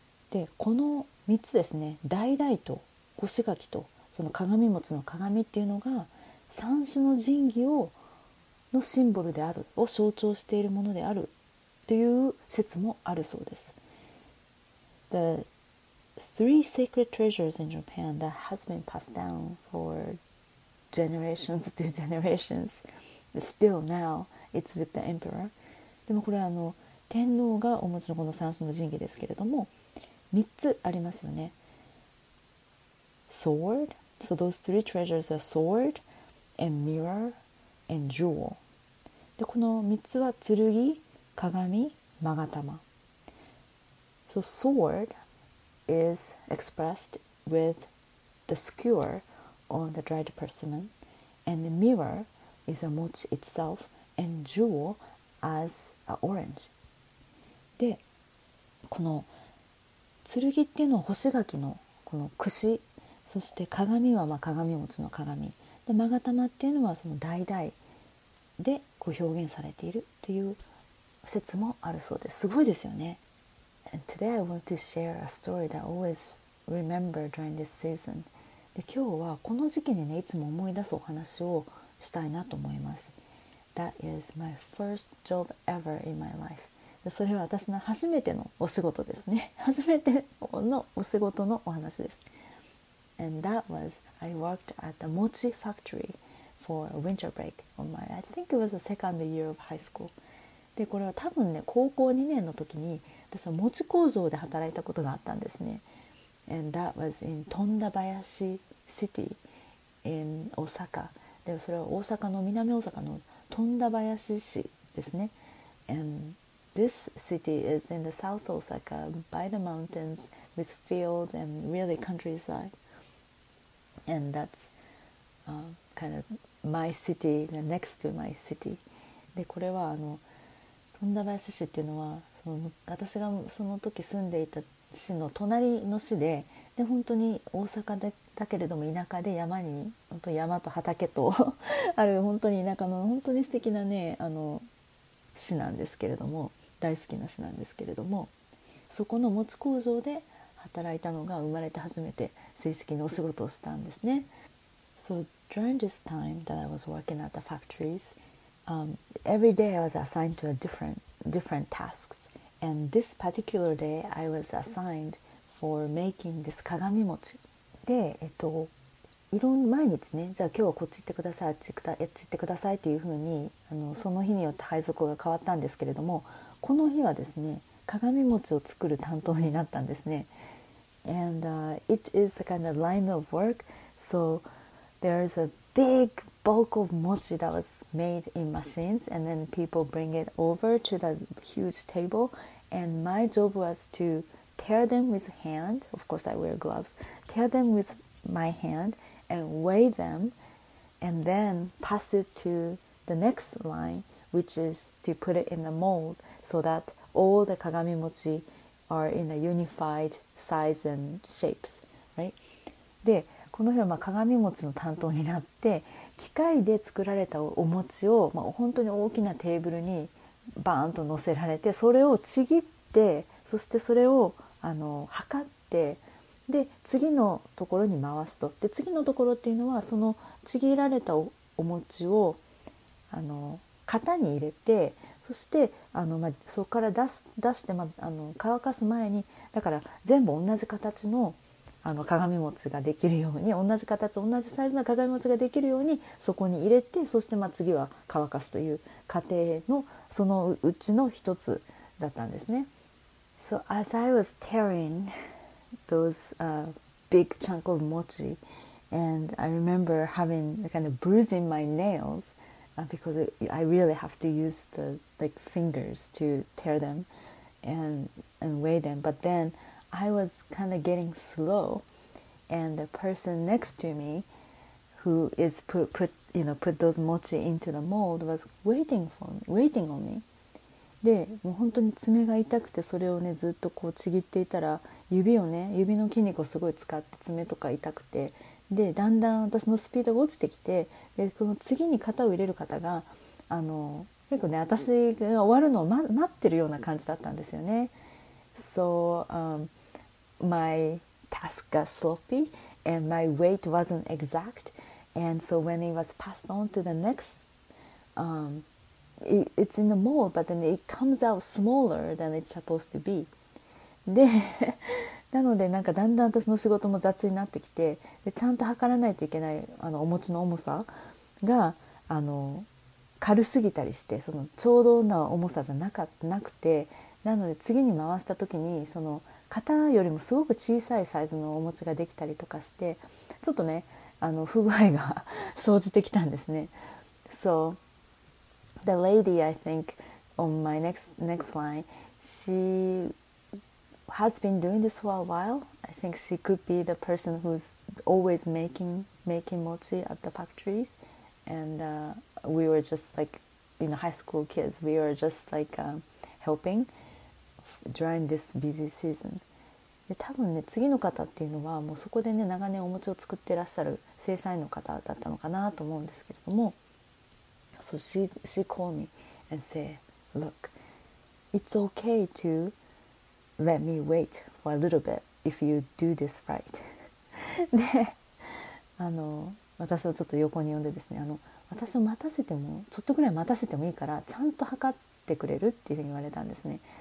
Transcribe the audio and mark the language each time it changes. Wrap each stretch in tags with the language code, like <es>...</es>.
<ja>で、この3つですね、dye と干し柿とその鏡餅の鏡っていうのが三種の神器をのシンボルであるを象徴しているものであるという説もあるそうです。</ja> <en>The three sacred treasures in Japan that has been passed down for generations to generations still now it's with the emperor.</en> <ja>でもこれはあの天皇がお持ちのこの三種の神器ですけれども三つありますよね。</ja> <en>Sword. So those three treasures are sword and mirror and jewel.</en> <ja>でこの3つは剣、鏡、まがたま。</ja> <en>So sword is expressed with the skewer on the dried persimmon, and the mirror is a mochi itself, and jewel as a orange.</en> <ja>で、この剣っていうのは干し柿のこの櫛、そして鏡はまあ鏡餅の鏡、でまがたまっていうのはその代々でこう表現されているという説もあるそうです。すごいですよね。</ja> <en>And today I want to share a story that I always remember during this season.</en> <ja>で今日はこの時期にね、いつも思い出すお話をしたいなと思います。</ja> <en>That is my first job ever in my life.</en> <ja>でそれは私の初めてのお仕事ですね。初めてのお仕事のお話です。</ja> <en>And that was, I worked at the mochi factory. For winter break on my, I think it was the second year of high school.</en> <ja>で、これは多分ね、高校2年の時に私は餅工場で働いたことがあったんですね。</ja> <en>And that was in Tondabayashi City in Osaka.</en> <ja>で、それは大阪の南大阪の Tondabayashi 市ですね。</ja> <en>And this city is in the south Osaka by the mountains with fields and really countryside. And that'skind of my city, the next to my city.</en> <ja>で、これはあの富田林市っていうのはその私がその時住んでいた市の隣の市で、で本当に大阪でだけれども田舎で山に本当山と畑とある本当に田舎の本当に素敵なねあの市なんですけれども、大好きな市なんですけれども、そこの餅工場で働いたのが生まれて初めて正式にお仕事をしたんですね。</ja> <en>So during this time that I was working at the factories, every day I was assigned to a different tasks. And this particular day, I was assigned for making this kagami mochi.</en> <ja>で、いろんな毎日ね、じゃあ今日はこっち行ってください、あっち行ってください、あっち行ってくださいっていうふうに、あのその日によって配属が変わったんですけれども、この日はですね、鏡餅を作る担当になったんですね。</ja> <en>And it is a kind of line of work, so... There's a big bulk of mochi that was made in machines, and then people bring it over to the huge table. And my job was to tear them with hand. Of course, I wear gloves. Tear them with my hand and weigh them, and then pass it to the next line, which is to put it in the mold so that all the kagami mochi are in a unified size and shapes, right?</en> <ja>で、この日はまあ鏡餅の担当になって、機械で作られたお餅をまあ本当に大きなテーブルにバーンと乗せられて、それをちぎって、そしてそれをあの測って、で次のところに回すと、で次のところっていうのはそのちぎられたお餅をあの型に入れて、そしてあのまあそこから出してまああの乾かす前に、だから全部同じ形のあの鏡餅ができるように、同じ形同じサイズの鏡餅ができるようにそこに入れて、そしてまあ次は乾かすという過程のそのうちの一つだったんですね。</ja> <en>So as I was tearing those big chunk of mochi, and I remember having kind of bruising my nails because I really have to use the like fingers to tear them and weigh them. But then I was kind of getting slow, and the person next to me who is put those mochi into the mold was waiting on me.</en> <ja>で、もう本当に爪が痛くて、それをね、ずっとこうちぎっていたら、指をね、指の筋肉をすごい使って爪とか痛くて、で、だんだん私のスピードが落ちてきて、で、この次に型を入れる方が、あの、結構ね、私が終わるのを、待ってるような感じだったんですよね。</ja> <en>So, my task got sloppy, and my weight wasn't exact, and so when it was passed on to the next, it's in the mold, but then it comes out smaller than it's supposed to be.</en> <ja>で、なのでなんかだんだん私の仕事も雑になってきて、でちゃんと測らないといけないあのお餅の重さがあの軽すぎたりして、そのちょうどな重さじゃなくて、なので次に回した時にその型よりもすごく小さいサイズのお餅ができたりとかして、ちょっとねあの不具合が生じてきたんですね。</ja> <en>SoThe lady, I think, on my next line, she has been doing this for a while. I think she could be the person who's always making mochi at the factories. And we were just like, you know, high school kids. We were just like helping during this busy season.</en> <ja>で、多分ね、次の方っていうのはもうそこでね、長年お餅を作ってらっしゃる正社員の方だったのかなと思うんですけれども。</ja> <en>So she called me and said, look, it's okay to let me wait for a little bit if you do this right.</en> <ja>で、あの、私をちょっと横に呼んでですね、あの、私を待たせても、ちょっとぐらい待たせてもいいから、ちゃんと測ってくれるっていうふうに言われたんですね。</ja>